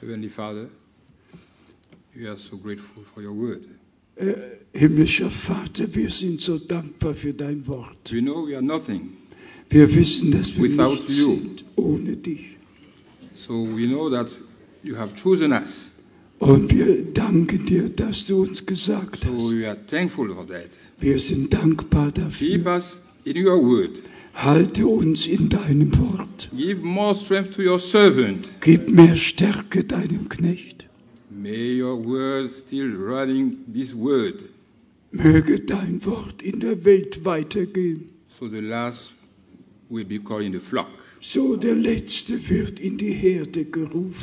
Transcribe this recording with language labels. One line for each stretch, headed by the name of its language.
English: Heavenly Father, we are so grateful for your word.
German: Himmlischer Vater, wir sind so dankbar für dein Wort.
English: We know we are nothing.
German: Wir wissen, dass wir nicht sind ohne dich.
English: So we know that you have chosen us.
German: Und wir danken dir, dass du uns gesagt hast.
English: So we are thankful for that.
German: Wir sind dankbar dafür.
English: Keep us in your word.
German: Halte uns in deinem Wort.
English: Give more strength to your servant.
German: Gib mehr Stärke deinem Knecht.
English: May your word still running this word.
German: Möge dein Wort in der Welt weitergehen.
English: So the last will be called in the flock.
German: So der Letzte wird in die Herde gerufen.